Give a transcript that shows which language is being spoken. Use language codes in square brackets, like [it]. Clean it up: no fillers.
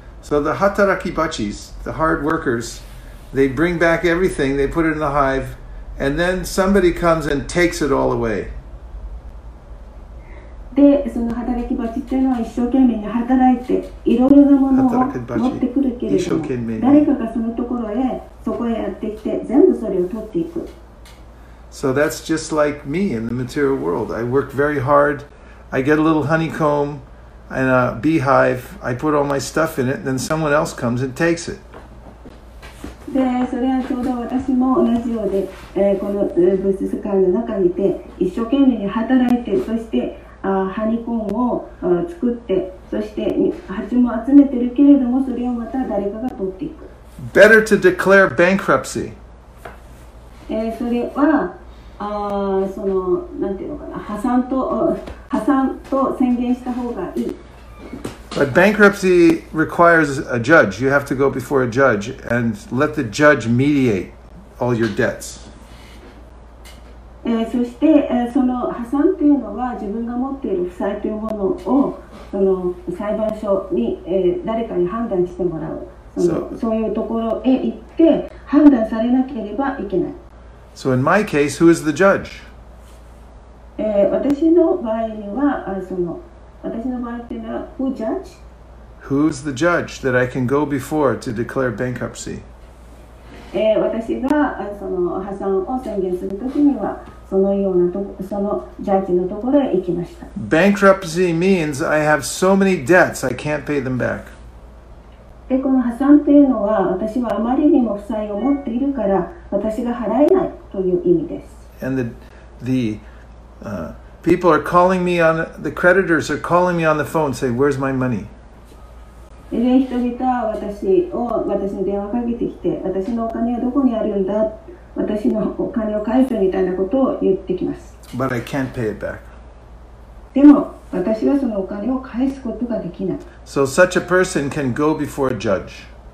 [en] So the hatarakibachis, the hard workers, they bring back everything, they put it in the hive, and then somebody comes and takes it all away. [ja] で、その hatarakibachi っていうのは一生懸命に働いて、いろいろなものを持ってくるけれども、誰かがそのところへ、そこへやってきて、全部それを取っていく。 [en] So that's just like me in the material world. I work very hard. I get a little honeycomb and a beehive. I put all my stuff in it, and then someone else comes and takes it. [ja] で、それはちょうど私も同じようで、この物質世界の中にいて、一生懸命に働いて、そしてハニコーンを作って、そして蜂も集めてるけれども、それをまた誰かが取っていく。 [en] Better to declare bankruptcy. [ja] それは、その、なんていうのかな、破産と宣言した方がいい。 [en] But bankruptcy requires a judge. You have to go before a judge and let the judge mediate all your debts. [ja] そして、その破産というのは自分が持っている負債というものをその裁判所に、誰かに判断してもらう。そういうところへ行って判断されなければいけない。 [en] So in my case, who is the judge? [ja] 私の場合には、その私の場合というのは、 [en] who judge? Who's the judge that I can go before to declare bankruptcy? [ja] 私がその破産を宣言するときには、そのジャッジのところへ行きました。 [en] Bankruptcy means I have so many debts I can't pay them back. [ja] で、この破産というのは、私はあまりにも負債を持っているから、私が払えないという意味です。 [en] And people are calling me on, the creditors are calling me on the phone saying, where's my money? [ja] で、人々は私に電話かけてきて、私のお金はどこにあるんだ、私のお金を返せみたいなことを言ってきます。 [en] But I can't pay it back. [ja] でも、私はそのお金を返すことができない。 [en] So such a person can go before a judge.